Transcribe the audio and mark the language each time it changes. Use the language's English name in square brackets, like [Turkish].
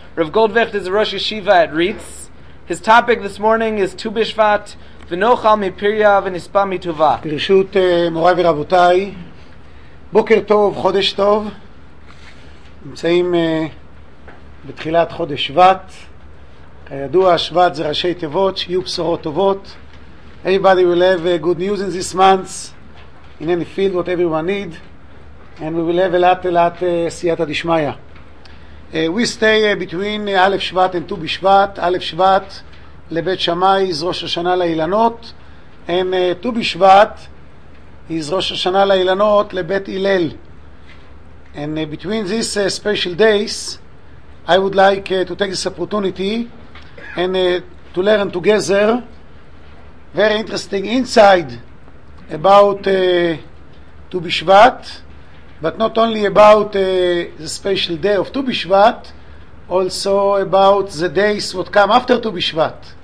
[English] Rav Goldwicht is a Rosh Yeshiva at Ritz. His topic this morning is Tu Bishvat, [Hebrew] V'nochal Mipirya V'nispa Mituva. Pirshut Moray V'Rabotai, Boker Tov, Chodesh Tov, נמצאים בתחילת חודש שבט. כידוע, שבט זה ראשי תיבות, שיהיו בשורות טובות. [English] Everybody will have good news in this month, in any field, what everyone need, and we will have a lot, סייעתא דשמיא. We stay between א' שבט and ט"ו בשבט. [Hebrew] א' שבט לבית שמאי is ראש השנה לאילנות, and ט"ו בשבט is ראש השנה לאילנות לבית הלל. [English] And between these special days, I would like to take this opportunity and to learn together very interesting insight about Tu Bishvat, but not only about the special day of Tu Bishvat, also about the days what come after Tu Bishvat.